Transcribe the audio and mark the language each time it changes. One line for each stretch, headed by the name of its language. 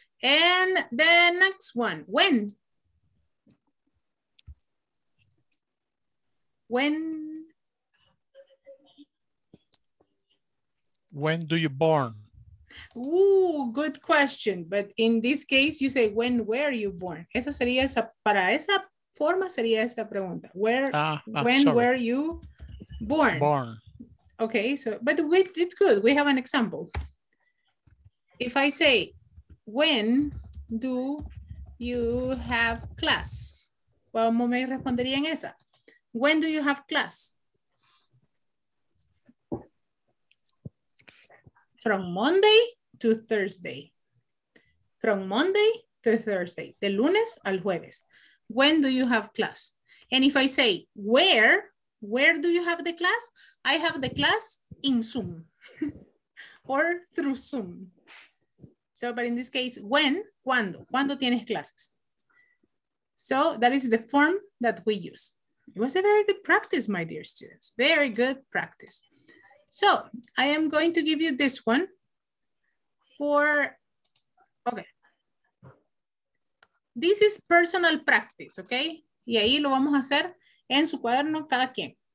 English: And the next one, when? When do you born? Ooh, good question. But in this case, you say, when were you born?
Spanish: Esa sería esa, para esa forma sería esta pregunta.
English: Were you born? Born. Okay, so, but it's good. We have an example. If I say, when do you have class?
Spanish: ¿Cómo me respondería en esa?
English: When do you have class? From Monday to Thursday. From Monday to Thursday.
Spanish: De lunes al jueves.
English: When do you have class? And if I say, where do you have the class? I have the class in Zoom or through Zoom. So, but in this case, when,
Spanish: cuando, cuando tienes clases.
English: So that is the form that we use. It was a very good practice, my dear students. Very good practice. So I am going to give you this one for, okay. This is personal practice, okay?
Spanish: Y ahí lo vamos a hacer en su cuaderno cada quien.